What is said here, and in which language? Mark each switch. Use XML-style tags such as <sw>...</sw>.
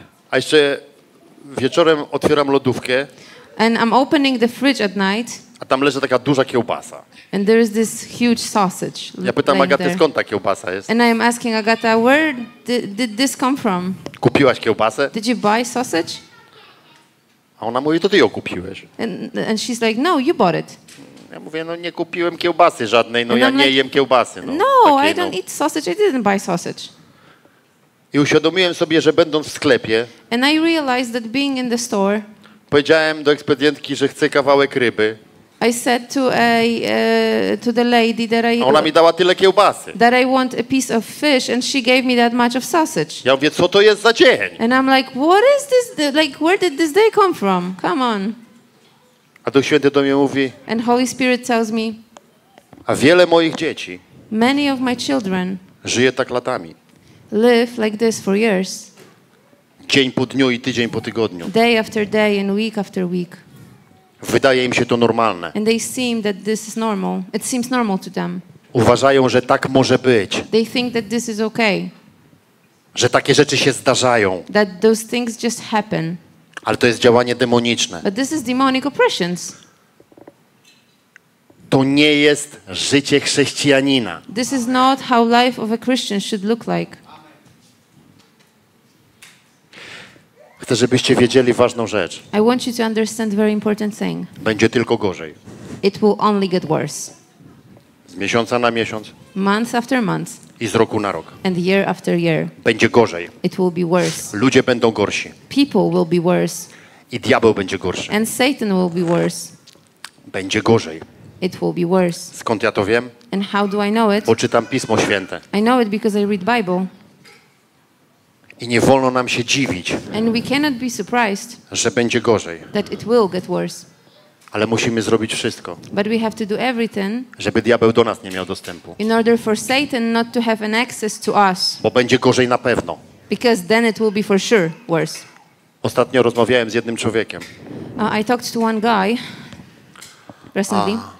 <pl>A jeszcze wieczorem otwieram lodówkę.</pl> <en>And I'm opening the fridge at night.</en> <pl>A tam leży taka duża kiełbasa.</pl> <en>And there is this huge sausage.</en> <pl>Ja pytam Agatę, skąd ta kiełbasa jest?</pl> <en>And I'm asking Agata, where did this come from?</en> <pl>Kupiłaś kiełbasę?</pl> <en>Did you buy sausage?</en> <pl>A ona mówi, to ty ją kupiłeś.</pl> <en>And she's like, no, you bought it.</en> <pl>Ja mówię, no nie kupiłem kiełbasy żadnej, no ja nie jem kiełbasy.</pl> <en>No, I don't eat sausage, I didn't buy sausage.</en> <pl>I uświadomiłem sobie, że będąc w sklepie,</pl> <en>and I realized that being in the store,</en> <pl>powiedziałem do ekspedientki, że chcę kawałek ryby.</pl> <en>I said to the lady that I</en> <pl>ona mi dała tyle kiełbasy.</pl> <en>That I want a piece of fish and she gave me that much of sausage.</en> <pl>Ja mówię, co to jest za dzień?</pl> <en>And I'm like, what is this? Like, where did this day come from? Come on.</en> <pl>A Duch Święty do mnie mówi.</pl> <en>And Holy Spirit tells me.</en> <pl>A wiele moich dzieci.</pl> <en>Many of my children.</en> <pl>Żyje tak latami.</pl> <en>Live like this for years.</en> <pl>Dzień po dniu i tydzień po tygodniu.</pl> <en>Day after day and week after week.</en> <pl>Wydaje im się to normalne.</pl> <en>And they seem that this is normal. It seems normal to them.</en> <pl>Uważają, że tak może być.</pl> <en>They think that this is okay.</en> <pl>Że takie rzeczy się zdarzają.</pl> <en>That those things just happen.</en> <pl>Ale to jest działanie demoniczne.</pl> <en>But this is demonic oppressions.</en> <pl>To nie jest życie chrześcijanina.</pl> <en>This is not how life of a Christian should look like.</en> <pl>Chcę, żebyście wiedzieli ważną rzecz.</pl> <en>I want you to understand very important thing.</en> <pl>Będzie tylko gorzej.</pl> <en>It will only get worse.</en> <pl>Z miesiąca na miesiąc.</pl> <en>Month after month.</en> <pl>I z roku na rok.</pl> <en>And year after year.</en> <pl>Będzie gorzej.</pl> <en>It will be worse.</en> <pl>Ludzie będą gorsi.</pl> <en>People will be worse.</en> <pl>I diabeł będzie gorszy.</pl> <en>And Satan will be worse.</en> <pl>Będzie gorzej.</pl> <en>It will be worse.</en> <pl>Skąd ja to wiem?</pl> <en>And how do I know it?</en> <pl>Bo czytam Pismo Święte.</pl> <en>I know it because I read Bible.</en> <pl>I nie wolno nam się dziwić,</pl> <en>and we cannot be surprised,</en> <pl>że będzie gorzej.</pl> <en>That it will get worse.</en> <pl>Ale musimy zrobić wszystko,</pl> <en>but we have to do everything,</en> <pl>żeby diabeł do nas nie miał dostępu.</pl> <en>In order for Satan not to have an access to us.</en> <pl>Bo będzie gorzej na pewno.</pl> <en>Because then it will be for sure worse.</en> <pl>Ostatnio rozmawiałem z jednym człowiekiem.</pl> <en>I talked to one guy recently.</en>